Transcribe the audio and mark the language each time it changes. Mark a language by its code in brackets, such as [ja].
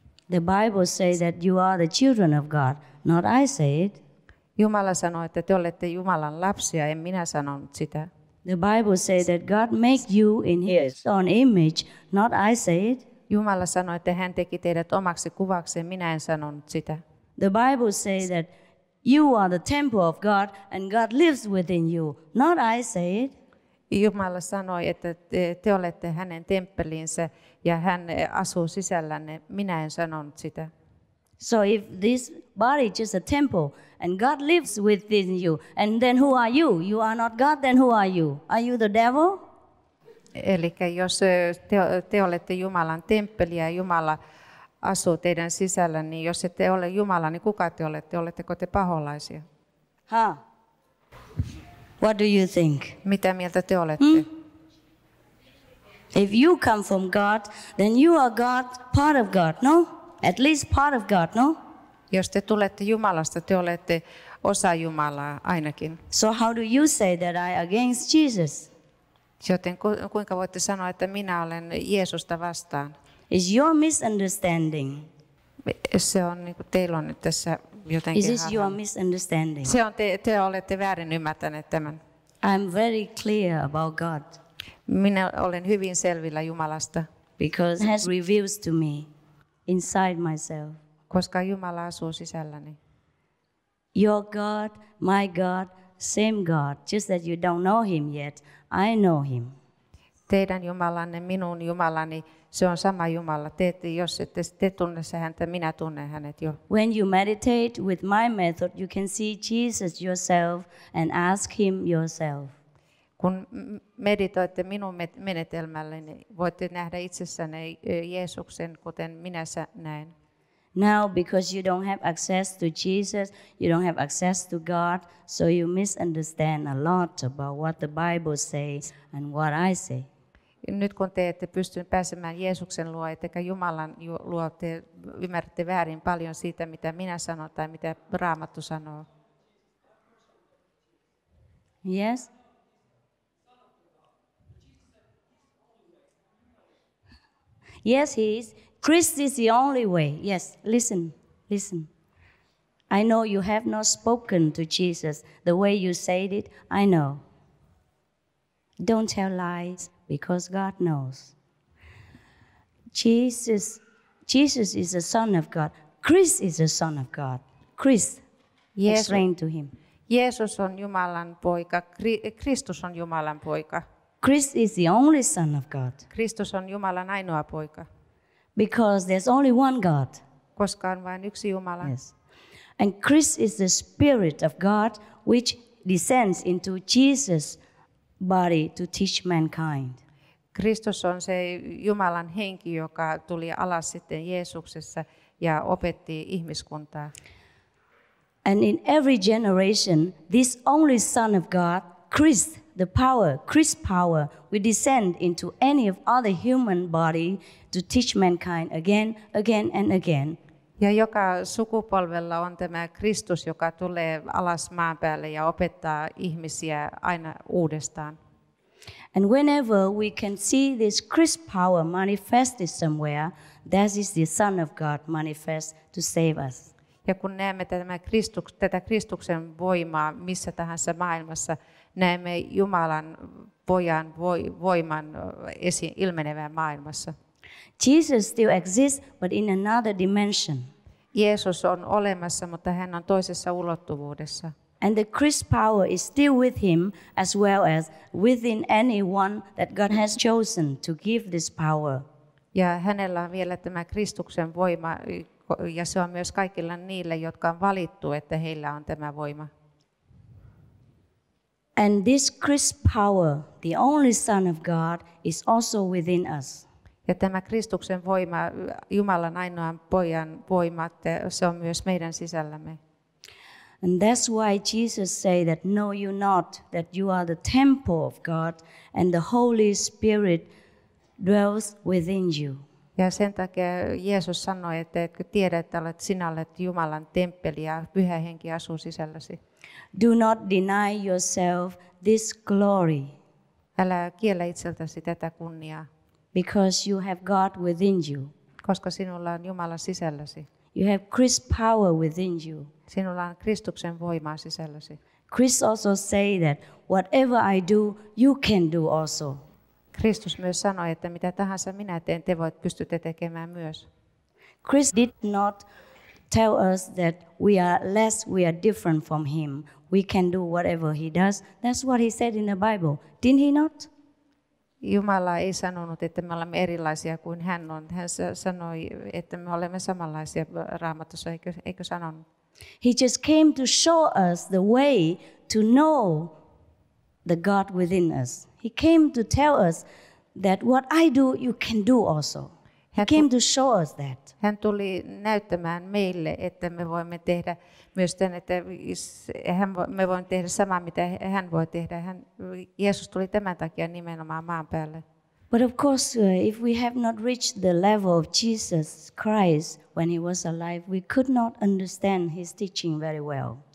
[en] The Bible says that you are the children of God, not I say it. [fi] Jumala sanoi, että te olette Jumalan lapsia, en minä sanonut sitä. [en] The Bible says that God made you in His own image, not I say it. [fi] Jumala sanoi, että hän teki teidät omaksi kuvakseen, minä en sanonut sitä. [en] The Bible says that you are the temple of God and God lives within you, not I say it. [fi] Jumala sanoi, että te olette hänen temppeliinsä ja hän asuu sisällänne, minä en sanonut sitä. [en] So if this body is just a temple and God lives within you, and then who are you? You are not God, then who are you? Are you the devil? [fi] Eli jos te olette Jumalan temppeli ja Jumala asuu teidän sisällä, niin jos ette ole Jumala, niin kuka te olette? Oletteko te paholaisia? [en] Huh? What do you think? [fi] Mitä mieltä te olette? Hmm? [en] If you come from God, then you are God, part of God, no? At least part of God, no? [fi] Jos te tulette Jumalasta, te olette osa Jumalaa ainakin. [en] So how do you say that I against Jesus? [fi] Joten kuinka voitte sanoa, että minä olen Jeesusta vastaan? [en] Is your misunderstanding? [fi] Se on niin kuin teillä on nyt tässä jotenkin. [en] Is this your misunderstanding? [fi] Se on te olette väärin ymmärtäneet tämän. [en] I'm very clear about God. [fi] Minä olen hyvin selvillä Jumalasta. [en] Because it has revealed to me. Inside myself. [fi] Koska Jumala asuu sisälläni. [en] Your God, my God, same God, just that you don't know him yet, I know him. [fi] Teidän Jumalanne, minun Jumalani, se on sama Jumala. Jos te tunne häntä, minä tunnen hänet jo. [en] When you meditate with my method, you can see Jesus yourself and ask him yourself. [fi] Kun meditoitte minun menetelmälleni, niin voitte nähdä itsessänne Jeesuksen, kuten minä näen. [en] Now, because you don't have access to Jesus, you don't have access to God, so you misunderstand a lot about what the Bible says and what I say. [fi] Nyt kun te ette pysty pääsemään Jeesuksen luo, ettekä Jumalan luo, te ymmärrätte väärin paljon siitä, mitä minä sanon tai mitä Raamattu sanoo. [en] Yes? Yes, he is. Christ is the only way. Yes, listen. I know you have not spoken to Jesus the way you said it. I know. Don't tell lies, because God knows. Jesus is the Son of God. Christ is the Son of God. Christ, explain to him. [fi] Jeesus on Jumalan poika. Kristus on Jumalan poika. [en] Christ is the only Son of God. [fi] Kristus on Jumalan ainoa poika. [en] Because there's only one God. [fi] Koska on vain yksi Jumala. [en] Yes. And Christ is the Spirit of God which descends into Jesus' body to teach mankind. [fi] Kristus on se Jumalan henki, joka tuli alas sitten Jeesuksessa ja opetti ihmiskuntaa. [en] And in every generation, this only Son of God, Christ, the power, Christ's power, will descend into any of other human body to teach mankind again, again and again. [fi] Ja joka sukupolvella on tämä Kristus, joka tulee alas maan päälle ja opettaa ihmisiä aina uudestaan. [en] And whenever we can see this Christ's power manifested somewhere, that is the Son of God manifest to save us. [fi] Ja kun näemme tätä Kristuksen voimaa missä tahansa maailmassa, näemme Jumalan pojan voiman ilmenevän maailmassa. [en] Jesus still exists, but in another dimension. [fi] Jeesus on olemassa, mutta hän on toisessa ulottuvuudessa. [en] And the Christ power is still with him as well as within anyone that God has chosen to give this power. [fi] Ja hänellä on vielä tämä Kristuksen voima ja se on myös kaikilla niille, jotka on valittu, että heillä on tämä voima. [en] And this Christ power, the only Son of God, is also within us. [fi] Ja tämä Kristuksen voima, Jumalan ainoan pojan voima, se on myös meidän sisällämme. [en] And that's why Jesus said that know you not that you are the temple of God and the Holy Spirit dwells within you. [fi] Ja sen takia Jeesus sanoi, että etkö tiedä, että olet sinä olet Jumalan temppeli ja Pyhä Henki asuu sisälläsi. [en] Do not deny yourself this glory. [fi] Älä kiellä itseltäsi tätä kunniaa. [en] Because you have God within you. [fi] Koska sinulla on Jumala sisälläsi. [en] You have Christ power within you. [fi] Sinulla on Kristuksen voimaa sisälläsi. [en] Christ also say that whatever I do, you can do also. [fi] Kristus myös sanoi, että mitä tahansa minä teen, te voit pystytte tekemään myös. [en] Christ did not tell us that we are less, we are different from him. We can do whatever he does. That's what he said in the Bible. Didn't he not? [fi] Jumala ei sanonut, että me olemme erilaisia kuin hän on. Hän sanoi, että me olemme samanlaisia Raamatussa, eikö sanonut? [en] He just came to show us the way to know the God within us. He came to tell us that what I do, you can do also. He came to show us that. [fi] Hän tuli näyttämään meille, että me voimme tehdä myös tämän, että me voimme tehdä samaa, mitä hän voi tehdä. Jeesus tuli tämän takia nimenomaan maan päälle. [en] But of course, if we have not reached the level of Jesus Christ when he was alive, we could not understand his teaching very well.